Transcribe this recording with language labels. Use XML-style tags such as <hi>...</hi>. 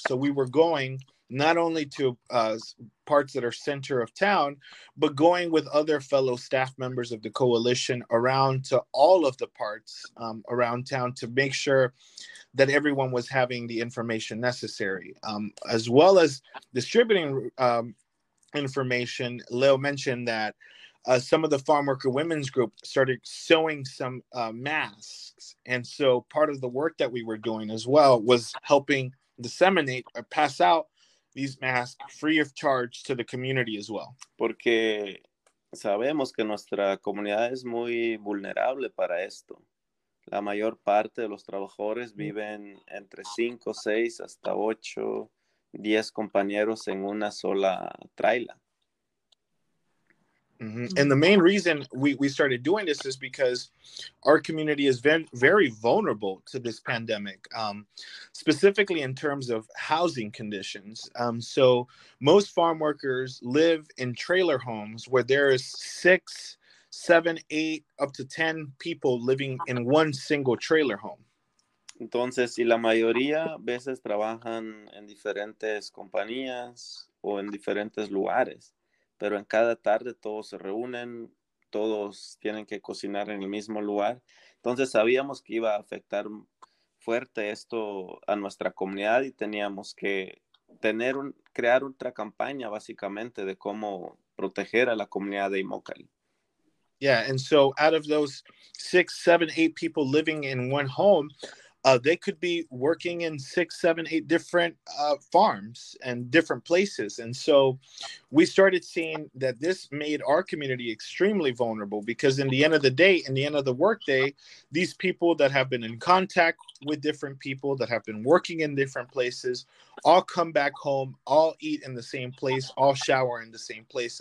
<en>So we were going not only to parts that are center of town, but going with other fellow staff members of the coalition around to all of the parts around town to make sure that everyone was having the information necessary, as well as distributing information. Leo mentioned that some of the farm worker women's group started sewing some masks. And so part of the work that we were doing as well was helping disseminate or pass out these masks free of charge to the community as well.</en> <es>Porque sabemos que nuestra comunidad es muy vulnerable para esto. La mayor parte de los trabajadores viven entre 5, 6 hasta 8, 10 compañeros en una sola traila.</es> <en>And the main reason we started doing this is because our community is very vulnerable to this pandemic, specifically in terms of housing conditions. So most farm workers live in trailer homes where there is 6, 7, 8, up to 10 people living in one single trailer home.</en> <es>Entonces, y la mayoría veces trabajan en diferentes compañías o en diferentes lugares, pero en cada tarde todos se reúnen, todos tienen que cocinar en el mismo lugar. Entonces, sabíamos que iba a afectar fuerte esto a nuestra comunidad y teníamos que tener un, crear otra campaña, básicamente, de cómo proteger a la comunidad de Imokalee.</es> <en>Yeah, and so out of those 6, 7, 8 people living in one home, they could be working in 6, 7, 8 different farms and different places. And so we started seeing that this made our community extremely vulnerable because in the end of the day, in the end of the workday, these people that have been in contact with different people that have been working in different places all come back home, all eat in the same place, all shower in the same place.</en>